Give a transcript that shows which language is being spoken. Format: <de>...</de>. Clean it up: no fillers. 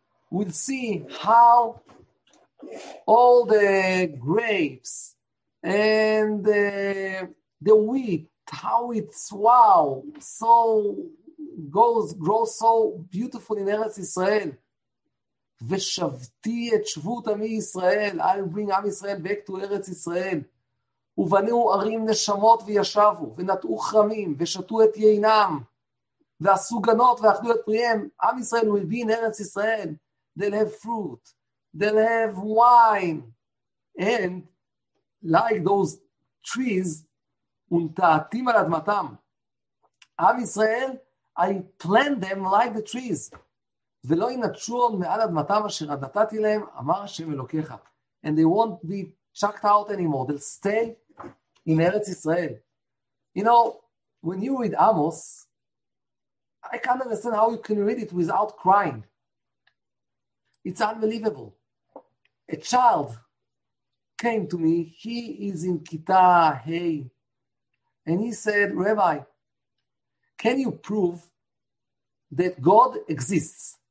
<en>We'll see how all the grapes and the wheat, how it's wow, so goes, grows so beautiful in Eretz Israel.</en> <he>ושבתי את שבות עמי ישראל,</he> <en>I'll bring</en> <he>עם ישראל</he> <en>back to</en> <he>ארץ ישראל, ובנו ערים נשמות וישבו, ונטעו חרמים, ושתו את יינם, ועשו גנות ואכלו את פריהם, עם ישראל</he> <en>will be in</en> <he>ארץ ישראל,</he> <en>they'll have fruit, they'll have wine, and like those trees,</en> <he>ונטעתים על אדמתם. עם ישראל,</he> <en>I plant them like the trees,</en> <he>ולא ינטשו עוד מעל אדמתם אשר נתתי להם, אמר השם אלוקיך.</he> <en>And they won't be chucked out anymore. They'll stay in ארץ ישראל. You know, when you read Amos, I can't understand how you can read it without crying. It's unbelievable. A child came to me, he is in Kita, hey, and he said, Rabbi, can you prove that God exists?</en>